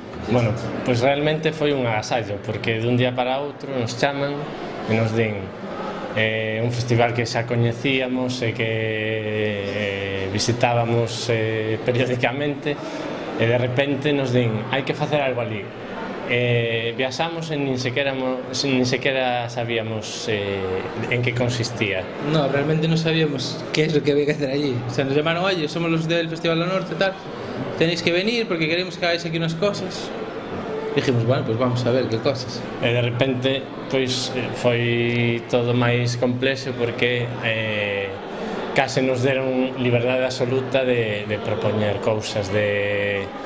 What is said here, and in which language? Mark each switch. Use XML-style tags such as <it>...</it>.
<gl>Bueno, pues realmente foi un agasallo, porque dun día para outro nos chaman e nos din un festival que xa coñecíamos e que visitábamos periódicamente, e de repente nos din, hai que facer algo ali. Viaxamos e nin sequera sabíamos en que consistía.</gl> <es>No,</es> <gl>realmente non sabíamos que é o que</gl> <es>había que hacer allí. O sea, nos llamaron, oye, somos los del Festival do Norte e tal, tenéis que venir porque queremos que hagáis aquí unas cosas. Dijimos, bueno, pues vamos a ver que cosas.</es> <gl>E de repente, pois, foi todo máis complexo porque case nos deron liberdade absoluta de propoñer cousas, de...</gl>